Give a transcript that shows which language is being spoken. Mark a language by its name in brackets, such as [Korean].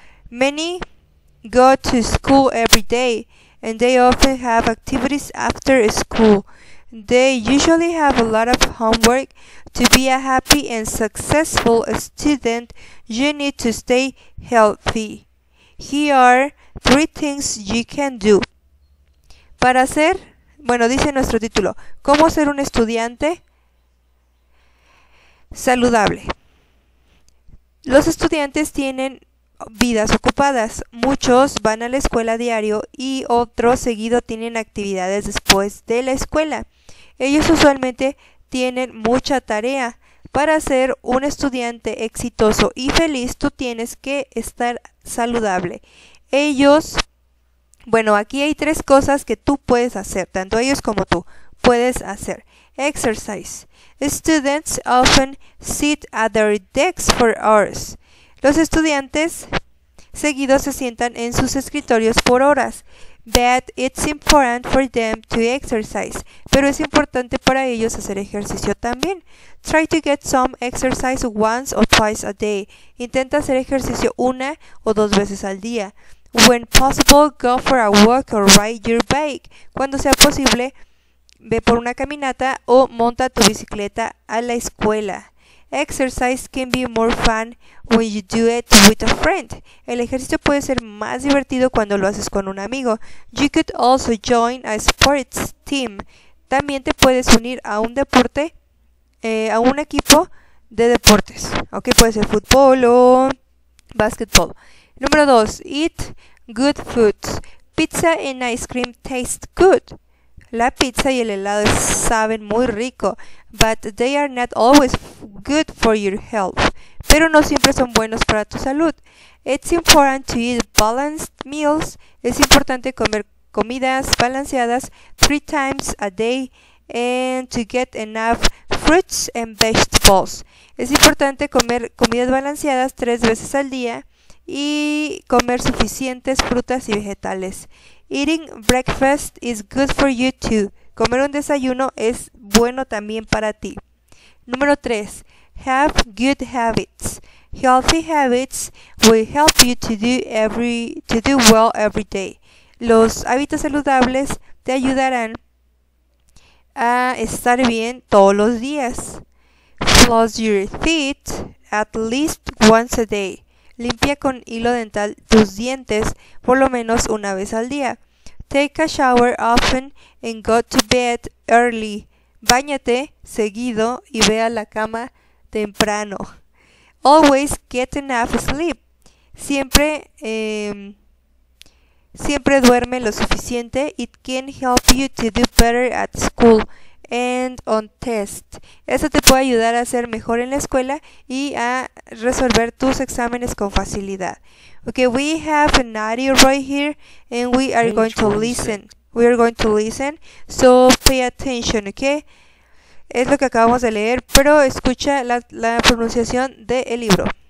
[English] Many go to school every day, and they often have activities after school. They usually have a lot of homework. To be a happy and successful student, you need to stay healthy. Here are three things you can do. [Spanish] Para ser, bueno, dice nuestro título, ¿cómo ser un estudiante saludable? Los estudiantes tienen vidas ocupadas. Muchos van a la escuela a diario y otros seguido tienen actividades después de la escuela. Ellos usualmente tienen mucha tarea. Para ser un estudiante exitoso y feliz, tú tienes que estar saludable. Ellos, bueno, aquí hay tres cosas que tú puedes hacer, tanto ellos como tú puedes hacer. [English] Exercise. Students often sit at their desks for hours. [Spanish] Los estudiantes seguidos se sientan en sus escritorios por horas. [English] But it's important for them to exercise. [Spanish] Pero es importante para ellos hacer ejercicio también. [English] Try to get some exercise once or twice a day. [Spanish] Intenta hacer ejercicio una o dos veces al día. [English] When possible, go for a walk or ride your bike. [Spanish] Cuando sea posible, ve por una caminata o monta tu bicicleta a la escuela. [English] Exercise can be more fun when you do it with a friend. [Spanish] El ejercicio puede ser más divertido cuando lo haces con un amigo. [English] You could also join a sports team. [Spanish] También te puedes unir a un deporte, a un equipo de deportes. Ok, puede ser fútbol o básquetbol. Número 2. [English] Eat good foods. Pizza and ice cream taste good. [Spanish] La pizza y el helado saben muy rico, [English] but they are not always good for your health. [Spanish] Pero no siempre son buenos para tu salud. [English] It's important to eat balanced meals. [Spanish] Es importante comer comidas balanceadas [English] three times a day and to get enough fruits and vegetables. [Spanish] Es importante comer comidas balanceadas tres veces al día y comer suficientes frutas y vegetales. [English] Eating breakfast is good for you too. [Spanish] Comer un desayuno es bueno también para ti. [English] Número 3. Have good habits. Healthy habits will help you to do well every day. [Spanish] Los hábitos saludables te ayudarán a estar bien todos los días. [English] Floss your teeth at least once a day. [Spanish] Limpia con hilo dental tus dientes por lo menos una vez al día. [English] Take a shower often and go to bed early. [Spanish] Báñate seguido y ve a la cama temprano. [English] Always get enough sleep. [Spanish] Siempre duerme lo suficiente. [English] It can help you to do better at school and on test. [Spanish] Eso te puede ayudar a hacer mejor en la escuela y a resolver tus exámenes con facilidad. [English] Okay, we have an audio right here and we are going Page to 26. listen. We are going to listen, so pay attention, okay? [Spanish] Es lo que acabamos de leer, pero escucha la pronunciación del libro.